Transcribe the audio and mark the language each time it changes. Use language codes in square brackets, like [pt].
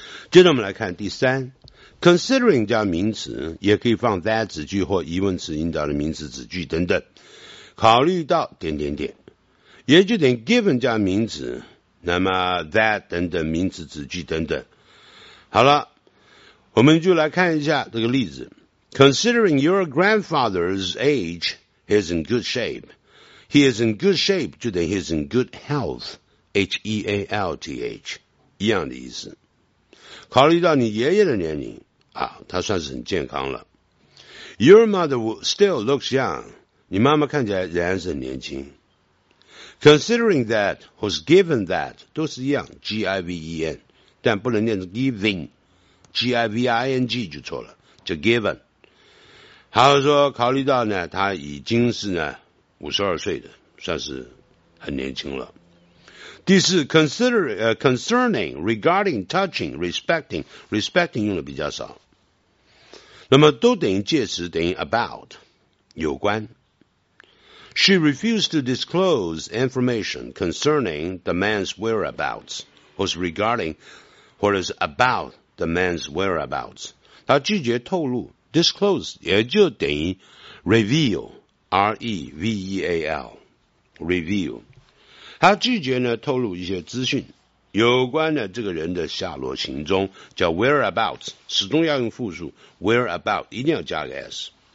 [zh] 接着我们来看第三， considering 加名词，也可以放 that 子句或疑问词引导的名词子句等等，考虑到点点点，也就等 given 加名词，那么 that 等等名词子句等等。好了，我们就来看一下这个例子， [en] Considering your grandfather's age, he is in good shape. He is in good shape [zh] 就等于 [en] he is in good health， [zh] H-E-A-L-T-H 一样的意思，考虑到你爷爷的年龄啊，他算是很健康了。 [en] Your mother still looks young， [zh] 你妈妈看起来仍然是很年轻。 Considering that 或是 given that 都是一样 G-I-V-E-N， 但不能念成 giving， G-I-V-I-N-G 就错了，就 given。还有说考虑到呢他已经是呢52岁的，算是很年轻了。第四 concerning regarding touching respecting 用的比较少，那么都等于介词，等于 about 有关。 [en] She refused to disclose information concerning the man's whereabouts, was regarding, or is about the man's whereabouts. [zh] 她拒绝透露 ,disclose, 也就等于 reveal, R-E-V-E-A-L, reveal. 她拒绝呢透露一些资讯，有关呢这个人的下落行踪，叫 whereabouts, 始终要用复数 ,whereabout, 一定要加个 S。